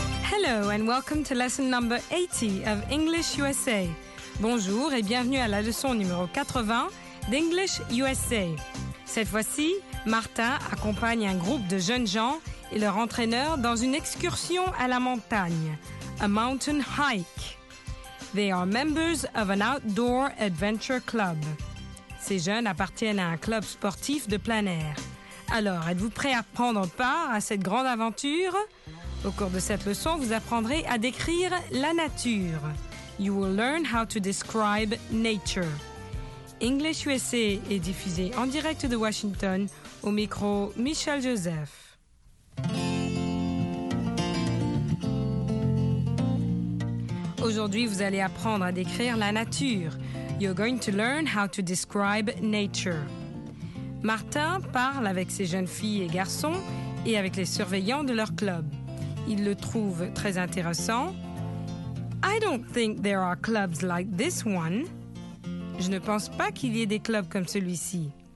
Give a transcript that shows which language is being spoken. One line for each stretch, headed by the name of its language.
English: Hello and welcome to lesson number 80 of English USA.
French: Bonjour et bienvenue à la leçon numéro 80 d'English USA. Cette fois-ci, Martin accompagne un groupe de jeunes gens et leur entraîneur dans une excursion à la montagne,
English: a mountain hike. They are members of an outdoor adventure club.
French: Ces jeunes appartiennent à un club sportif de plein air. Alors, êtes-vous prêts à prendre part à cette grande aventure? Au cours de cette leçon, vous apprendrez à décrire la nature.
English: You will learn how to describe nature.
French: English USA est diffusé en direct de Washington au micro Michel Joseph. Aujourd'hui, vous allez apprendre à décrire la nature.
English: You're going to learn how to describe nature.
French: Martin parle avec ses jeunes filles et garçons et avec les surveillants de leur club. Ils le trouvent très intéressant.
English: I don't think there are clubs like this one.
French: Je ne pense pas qu'il y ait des clubs comme celui-ci.